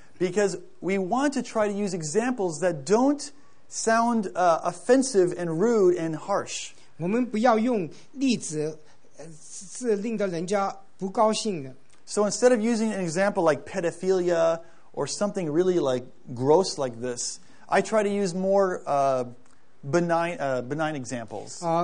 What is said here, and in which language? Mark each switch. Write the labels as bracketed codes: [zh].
[en] Because we want to try to use examples that don't sound offensive and rude and harsh. [zh] 我们不要用例子是令得人家不高兴的。 [en] So instead of using an example like pedophilia or something really like gross like this, I try to use more benign examples.